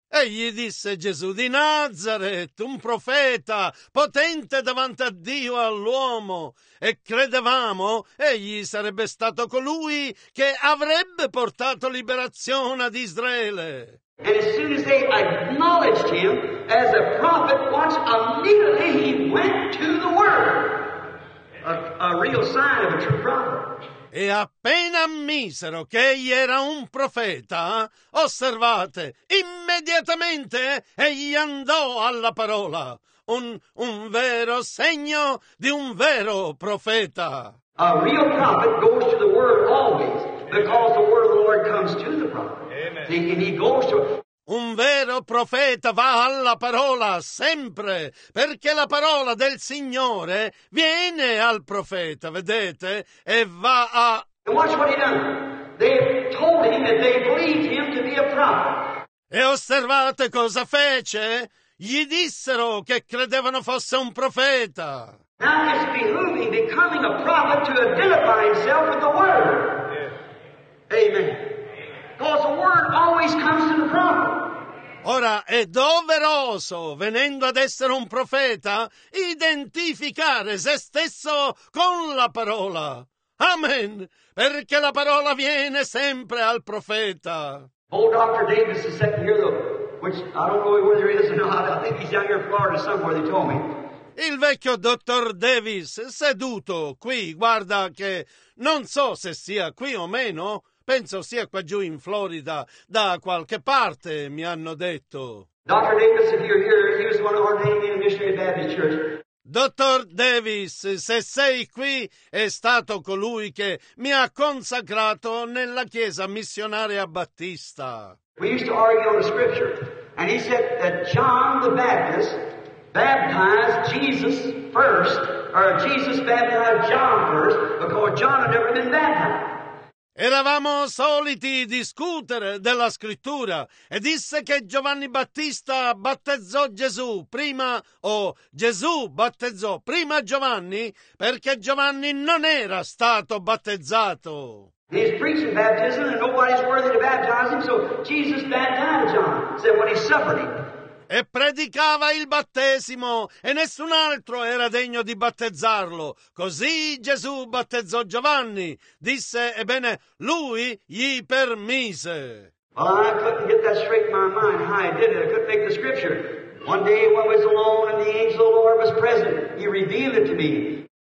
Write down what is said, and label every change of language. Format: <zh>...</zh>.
<it>Egli disse Gesù di Nazareth, un profeta, potente davanti a Dio e all'uomo, e credevamo egli sarebbe stato colui che avrebbe portato liberazione ad Israele.</it> <en>And as soon as they acknowledged him as a prophet, watch, immediately he went to the word. A real sign of a true prophet.</en> <it>E appena ammisero che egli era un profeta, osservate, immediatamente egli andò alla parola. Un vero segno di un vero profeta.</it> <en>A real prophet goes to the word always, because the word of the Lord comes to the prophet. Amen. And he goes to...</en> <it>Un vero profeta va alla parola sempre, perché la parola del Signore viene al profeta, vedete, e va a...</it> <en>And watch what he done. They told him that they believed him to be a prophet.</en> <it>E osservate cosa fece? Gli dissero che credevano fosse un profeta.</it> <en>Now it's behooving becoming a prophet to identify himself with the word. Yes. Amen. Because the word always comes to the prophet.</en> <it>Ora è doveroso, venendo ad essere un profeta, identificare se stesso con la parola. Amen. Perché la parola viene sempre al profeta.</it> <en>Old Dr. Davis is sitting here, though, which I don't know whether he is or not. I think he's down here in Florida somewhere, they told me.</en> <it>Il vecchio dottor Davis, seduto qui, guarda che non so se sia qui o meno, penso sia qua giù in Florida, da qualche parte, mi hanno detto.</it> <en>Dr. Davis, if you're here, he was one of our main missionary Baptist church.</en> <it>Dottor Davis, se sei qui, è stato colui che mi ha consacrato nella chiesa missionaria Battista.</it> <en>We used to argue on the scripture, and he said that John the Baptist... baptized Jesus first, or Jesus baptized John first, because John had never been baptized.</en> <it>Eravamo soliti discutere della scrittura, e disse che Giovanni Battista battezzò Gesù prima, o Gesù battezzò prima Giovanni, perché Giovanni non era stato battezzato.</it> <en>He's preaching baptism, and nobody's worthy to baptize him, so Jesus baptized John, said when he suffered him.</en> <it>E predicava il battesimo, e nessun altro era degno di battezzarlo. Così Gesù battezzò Giovanni, disse, ebbene, lui gli permise.</it> <en>Well, I couldn't get that straight in my mind how I did it. I couldn't make the scripture. One day when I was alone and the angel of the Lord was present, he revealed it to me.</en>